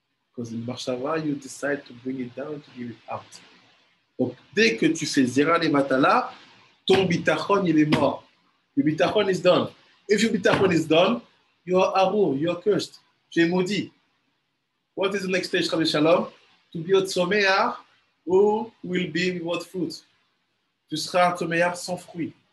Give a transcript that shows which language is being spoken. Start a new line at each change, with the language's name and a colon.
English: Because in Marshava, you decide to bring it down to give it out.
French: Donc, dès que tu fais Zera Levatala, ton bitachon il est mort.
English: Your bitachon is done. If your bitachon is done, you are arur, you are cursed.
French: Tu es maudit.
English: What is the next stage, Rabbi Shalom? To be a tzomeyar, who will be without fruit?
French: Tu seras un tzomeyar sans fruit.